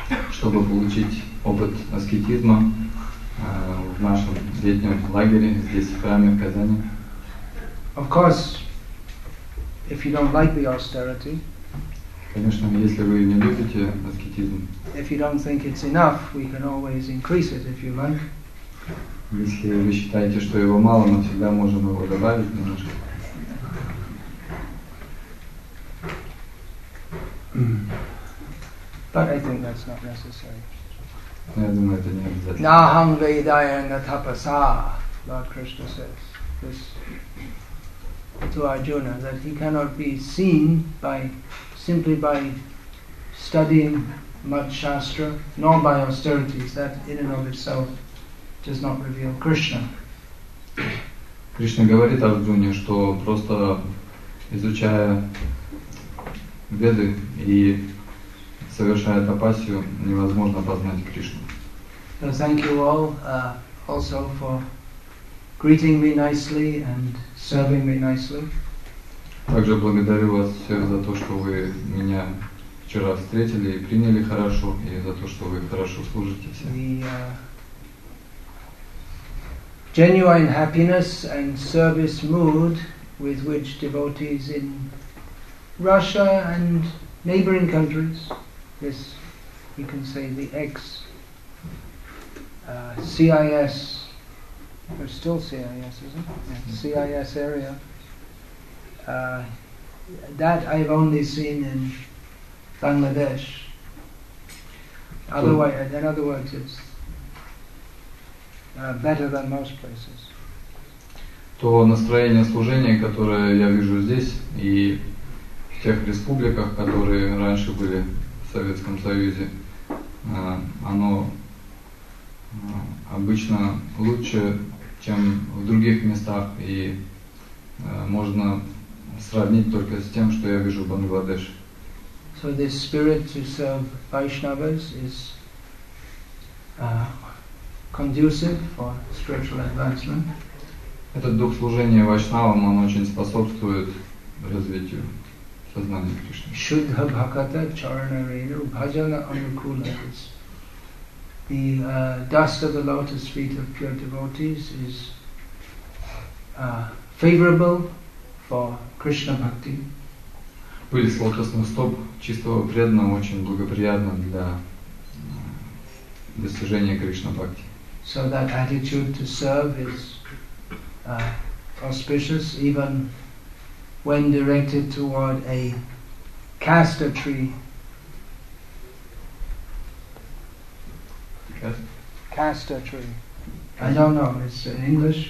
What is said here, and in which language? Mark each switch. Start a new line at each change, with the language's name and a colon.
Russian: Чтобы получить опыт аскетизма в нашем летнем лагере здесь, в храме в Казани.
English: Of course, if you don't like the austerity,
Russian: конечно, если вы не любите аскетизм,
English: if you don't think it's enough, we can always increase it if you like.
Russian: Если вы считаете, что его мало, мы всегда можем его добавить немножко.
English: But I think that's not necessary.
Russian: Я думаю, это не обязательно.
Sanskrit: Нахам вейдая на тапаса,
English: Lord Krishna says this to Arjuna, that he cannot be seen by simply by studying much shastra, nor by austerities. That in and of itself does not reveal Krishna.
Russian: Кришна говорит Арджуне, что просто изучая веды и совершая тапасию, невозможно познать Кришну.
English: So thank you all also for greeting me nicely and serving me nicely.
Russian: Также благодарю вас всех за то, что вы меня вчера встретили и приняли хорошо, и за то, что вы хорошо служите всем.
English: Genuine happiness and service mood with which devotees in Russia and neighboring countries, this we can say the ex CIS, or still CIS, isn't it? CIS area. That I've only seen in Bangladesh. Otherwise, in other words, it's better than most places.
Russian: То настроение служения, которое я вижу здесь и в тех республиках, которые раньше были в Советском Союзе, оно обычно лучше, чем в других местах, и можно сравнить только с тем, что я вижу в Бангладеш.
English: So this spirit to serve Vaishnavas is conducive for spiritual advancement.
Russian: Этот дух служения вайшнавам, он очень способствует развитию сознания Кришны.
Bangla: Shuddha bhakata charanarena bhajana anukula.
English: The dust of the lotus feet of pure devotees is favorable for Krishna bhakti.
Russian: Пыль с лотосных стоп чистого преданного очень благоприятна для достижения Кришна бхакти.
English: So that attitude to serve is auspicious, even when directed toward a castor tree. Castor tree. I don't know. It's in English.